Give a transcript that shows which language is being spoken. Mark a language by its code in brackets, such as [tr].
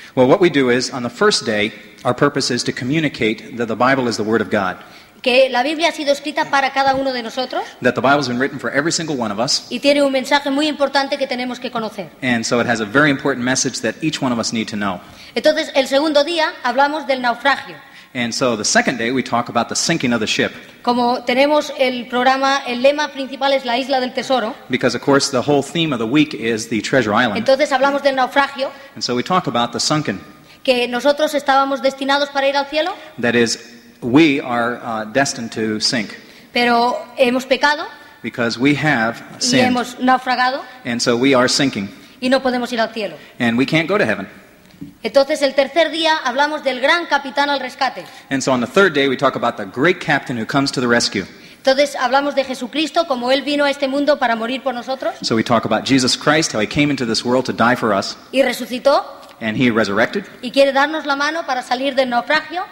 [en] Well, what we do is, on the first day, our purpose is to communicate that the Bible is the Word of God. [es] Que la Biblia ha sido escrita para cada uno de nosotros. [en] That the Bible has been written for every single one of us. [es] Y tiene un mensaje muy importante que tenemos que conocer. [en] And so it has a very important message that each one of us need to know. [es] Entonces, el segundo día hablamos del naufragio. [en] And so the second day we talk about the sinking of the ship. [es] Como tenemos el programa, el lema principal es la Isla del Tesoro. [en] Because of course the whole theme of the week is the Treasure Island. [es] Entonces hablamos del naufragio. [en] And so we talk about the sunken. [es] Que nosotros estábamos destinados para ir al cielo. [en] That is, we are destined to sink. [es] Pero hemos pecado. [en] Because we have sinned. [es] Y hemos naufragado. [en] And so we are sinking. [es] Y no podemos ir al cielo. [en] And we can't go to heaven. [es] Entonces el tercer día hablamos del gran capitán al rescate. [en] And so on the third day we talk about the great captain who comes to the rescue. [es] Entonces hablamos de Jesucristo como él vino a este mundo para morir por nosotros. [en] So we talk about Jesus Christ, how he came into this world to die for us. [es] Y resucitó. [en] And he resurrected. [es] Y quiere darnos la mano para salir del naufragio.